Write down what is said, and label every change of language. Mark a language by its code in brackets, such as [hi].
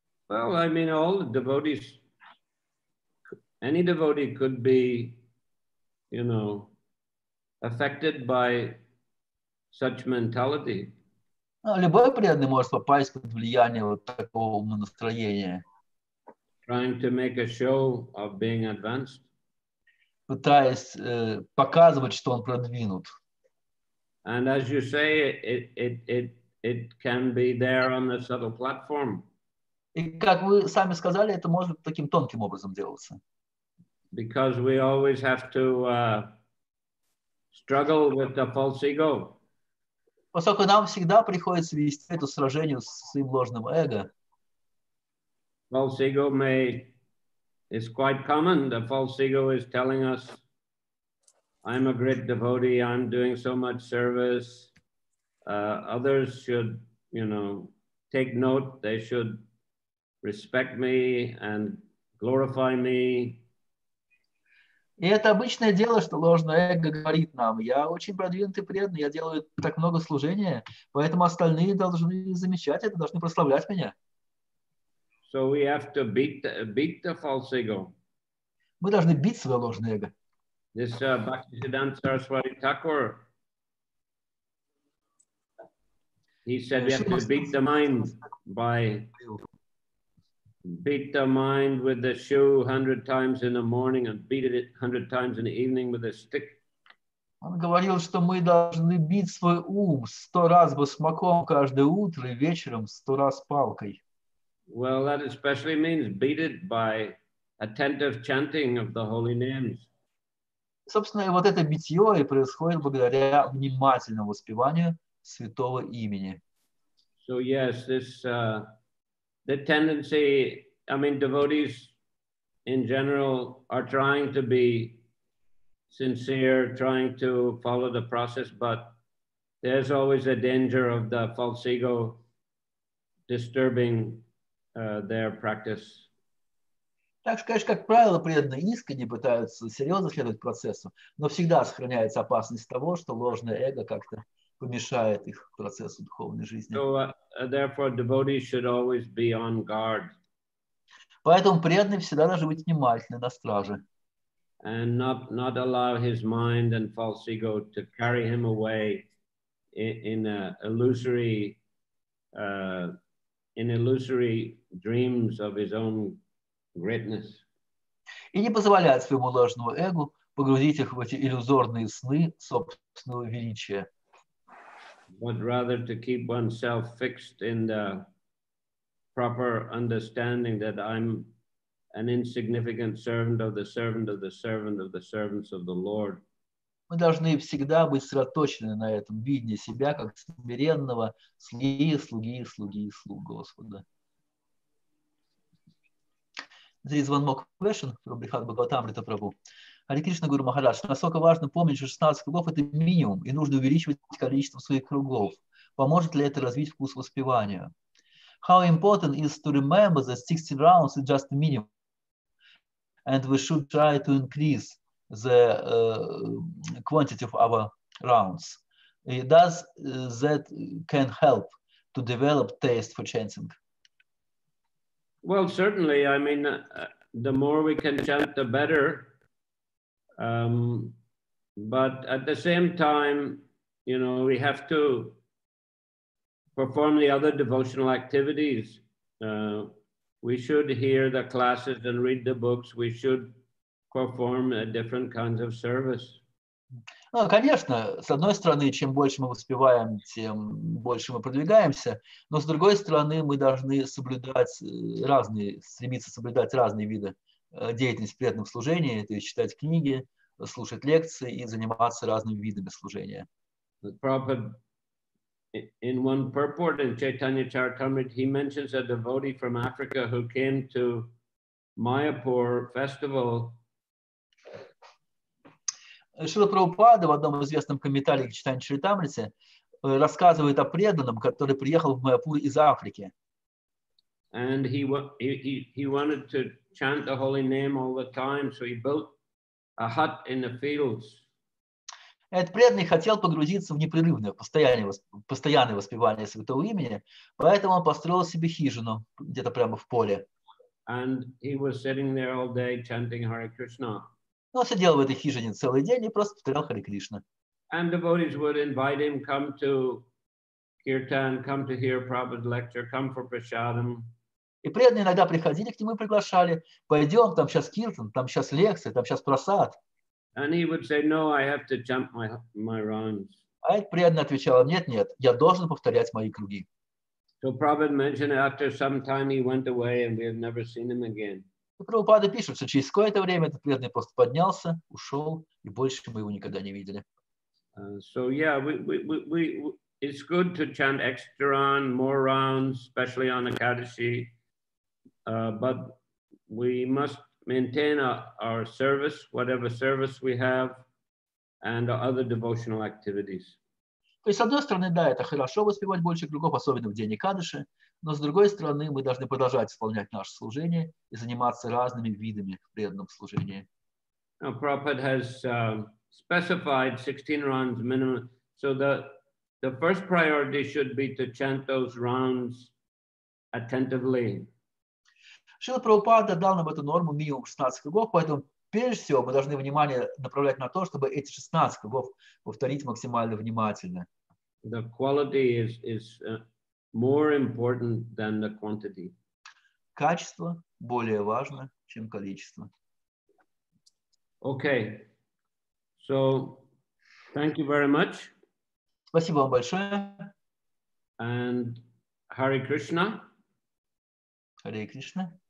[en] Well, I mean, all the devotees, any devotee could be, you know, affected by such mentality. [ru] Любой преданный может попасть под влияние вот такого настроения. [en] Trying to make a show of being advanced. [ru] Пытаясь показывать, что он продвинут. [en] And as you say, it can be there on the subtle platform. [ru] И как вы сами сказали, это может таким тонким образом делаться. [en] Because we always have to struggle with the false ego. [ru] Поскольку нам всегда приходится вести это сражение с своим ложным эго. [en] False ego may is quite common. The false ego is telling us, I'm a great devotee, I'm doing so much service. Others should, you know, take note, they should respect me and glorify me. [ru] И это обычное дело, что ложное эго говорит нам, я очень продвинутый преданный, я делаю так много служения, поэтому остальные должны замечать это, должны прославлять меня. [en] So we have to beat the false ego. [ru] Мы должны бить свое ложное эго. [en] This Bhaktisiddhanta Saraswati Thakur, he said we have to beat the mind by... Beat the mind with the shoe 100 times in the morning and beat it 100 times in the evening with a stick. [ru] Он говорил, что мы должны бить свой ум 100 раз басмаком каждое утро и вечером 100 раз палкой. [en] Well, that especially means beat it by attentive chanting of the holy names. [ru] Собственно, вот это битье и происходит благодаря внимательному воспеванию святого имени. [en] So, yes, this... The tendency, I mean, devotees in general are trying to be sincere, trying to follow the process, but there's always a danger of the false ego disturbing their practice. [ru] Так что, конечно, как правило, преданные искренне пытаются серьезно следовать процессу, но всегда сохраняется опасность того, что ложное эго как-то помешает их процессу духовной жизни. [en] So, therefore, devotees should always be on guard. [ru] Поэтому преданный всегда должен быть внимательным на страже. [en] And not allow his mind and false ego to carry him away in illusory dreams of his own greatness. [ru] И не позволять своему ложному эго погрузить их в эти иллюзорные сны собственного величия. [en] but rather to keep oneself fixed in the proper understanding that I'm an insignificant servant of the servant of the servant of the servants of the Lord. [ru] Мы должны всегда быть сосредоточены на этом видении себя как смиренного слуги, слуги, слуги, слуг Господа. [en] There is one more question from Brihad Bhagavatamrita Prabhu. [ru] Hare Krishna Guru Maharaj, насколько важно помнить, что 16 кругов – это минимум, и нужно увеличивать количество своих кругов. Поможет ли это развить вкус воспевания? [en] How important is to remember that 16 rounds is just the minimum, and we should try to increase the quantity of our rounds? Does that can help to develop taste for chanting? Well, certainly. I mean, the more we can chant, the better. But at the same time, you know, we have to perform the other devotional activities. We should hear the classes and read the books. We should perform different kinds of service. [ru] Ну, конечно, с одной стороны, чем больше мы воспеваем, тем больше мы продвигаемся, но с другой стороны, мы должны соблюдать разные, стремиться соблюдать разные виды деятельности преданных служений, то есть читать книги, слушать лекции и заниматься разными видами служения. [en] Prabhupada, in one purport in Chaitanya Charitamrita, he mentions a devotee from Africa who came to Mayapur festival. [ru] Шрила Прабхупада в одном известном комментарии к Чайтанья Чаритамрите рассказывает о преданном, который приехал в Майяпур из Африки. [en] And he wanted to chant the holy name all the time, so he built a hut in the fields. [ru] Этот преданный хотел погрузиться в непрерывное, постоянное воспевание святого имени, поэтому он построил себе хижину где-то прямо в поле. [en] And he was sitting there all day chanting Hare Krishna. [ru] Он сидел в этой хижине целый день и просто повторял Харе Кришна. [en] And devotees would invite him, come to kirtan, come to hear Prabhupada's lecture, come for prasadam. [ru] И преданные иногда приходили к нему и приглашали: пойдем, там сейчас киртан, там сейчас лекция, там сейчас прасад. [en] And he would say, no, I have to jump my rounds. [ru] А этот преданный отвечал: нет, я должен повторять мои круги. [en] So Prabhupada mentioned after some time he went away and we have never seen him again. [ru] Прабхупада пишет, что через какое-то время этот преданный просто поднялся, ушел, и больше мы его никогда не видели. [en] So yeah, we it's good to chant extra round, more rounds, especially on Akadashi, but we must maintain our service, whatever service we have, and other devotional activities. [ru] То есть, с одной стороны, да, это хорошо воспевать больше кругов, особенно в день Экадыши, но с другой стороны, мы должны продолжать исполнять наше служение и заниматься разными видами преданного служения. [en] Now, Prabhupada has specified 16 rounds minimum, so the first priority should be to chant those rounds attentively. [ru] Шрила Прабхупада дал нам эту норму минимум 16 кругов, поэтому прежде всего, мы должны внимание направлять на то, чтобы эти 16 кругов повторить максимально внимательно. [en] The quality is more important than the quantity. [ru] Качество более важно, чем количество. [en] Okay. So, thank you very much. [ru] Спасибо вам большое. [en] And Hare Krishna. Hare Krishna.